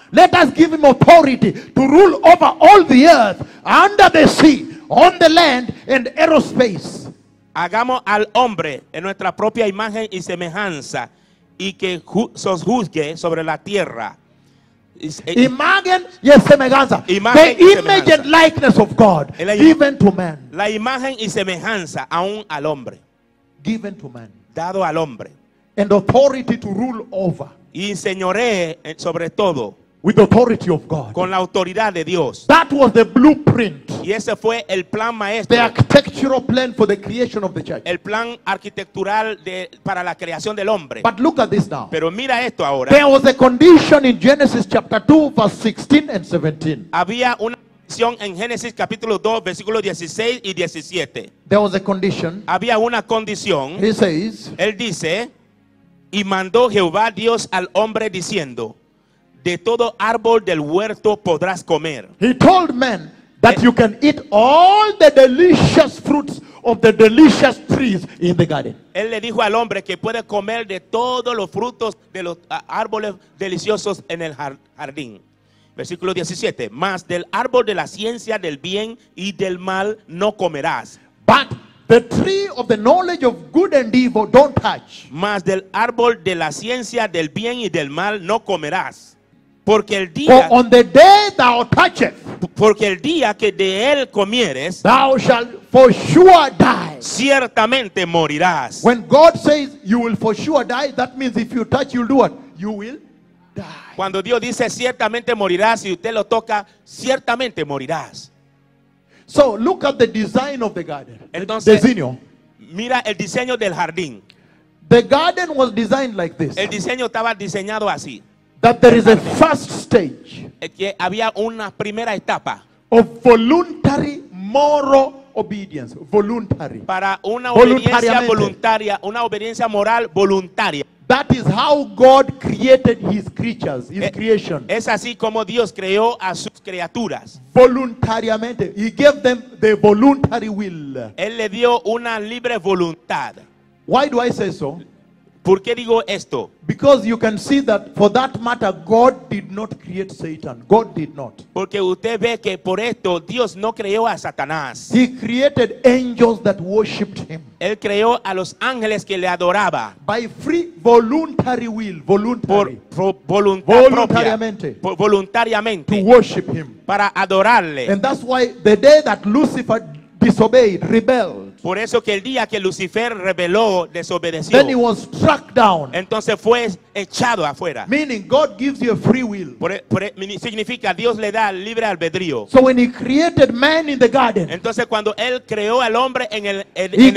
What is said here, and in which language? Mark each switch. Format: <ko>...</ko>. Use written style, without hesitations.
<en>Let us give him authority to rule over all the earth, under the sea, on the land, and aerospace.</en> <es>Hagamos al hombre en nuestra propia imagen y semejanza y que juzgue sobre la tierra. Imagen y semejanza. Imagen</es> <en>the image and likeness of God given to man.</en> <es>La imagen y semejanza aún al hombre.</es> <en>Given to man.</en> <es>Dado al hombre.</es> <en>And authority to rule over.</en> <es>Y señoree sobre todo.</es> <en>With the authority of God.</en> <es>Con la autoridad de Dios.</es> <en>That was the blueprint.</en> <es>Y ese fue el plan maestro.</es> <en>The architectural plan for the creation of the church.</en> <es>El plan arquitectural de, para la creación del hombre.</es> <en>But look at this now.</en> <es>Pero mira esto ahora.</es> <en>There was a condition in Genesis chapter 2 verse 16 and 17.</en> <es>Había una condición en Génesis capítulo 2 versículo 16 y 17.</es> <en>There was a condition.</en> <es>Había una condición.</es> <en>He says.</en> <es>Él dice, y mandó Jehová Dios al hombre diciendo, de todo árbol del huerto podrás comer.</es> <en>He told men that you can eat all the delicious fruits of the delicious trees in the garden.</en> <es>Él le dijo al hombre que puede comer de todos los frutos de los árboles deliciosos en el jardín. Versículo 17. Mas del árbol de la ciencia del bien y del mal no comerás.</es> <en>But the tree of the knowledge of good and evil don't touch.</en> <es>Mas del árbol de la ciencia del bien y del mal no comerás. Porque el día,</es> <en>for on the day thou touchest,</en> <es>porque el día que de él comieres,</es> <en>thou shalt for sure die.</en> <es>Ciertamente morirás.</es> <en>When God says you will for sure die, that means if you touch, you'll do what? You will die.</en> <es>Cuando Dios dice ciertamente morirás, si usted lo toca, ciertamente morirás.</es> <en>So look at the design of the garden.</en> <es>Entonces, designio. Mira el diseño del jardín.</es> <en>The garden was designed like this.</en> <es>El diseño estaba diseñado así.</es> <en>That there is a first stage.</en> <es>Que había una primera etapa.</es> <en>Of voluntary moral obedience. Voluntary.</en> <es>Para una obediencia voluntaria. Una obediencia moral voluntaria.</es> <en>That is how God created his creatures. His creation.</en> <es>Es así como Dios creó a sus criaturas. Voluntariamente.</es> <en>He gave them the voluntary will.</en> <es>Él le dio una libre voluntad.</es> <en>Why do I say so?</en> <es>¿Por qué digo esto?</es> <en>Because you can see that for that matter God did not create Satan. God did not.</en> <es>Porque usted ve que por esto Dios no creó a Satanás.</es> <en>He created angels that worshiped him.</en> <es>Él creó a los ángeles que le adoraba.</es> <en>By free voluntary will, voluntary.</en> <es>Voluntariamente. Propia, voluntariamente.</es> <en>To worship him.</en> <es>Para adorarle.</es> <en>And that's why the day that Lucifer disobeyed, rebelled.</en> <es>Por eso que el día que Lucifer rebeló, desobedeció.</es> <en>Then he was struck down.</en> <es>Entonces fue echado afuera.</es> <en>Meaning God gives you a free will.</en> <es>Significa Dios le da libre albedrío.</es> <en>So when he created man in the garden.</en> <es>Entonces cuando él creó al hombre en el jardín.</es>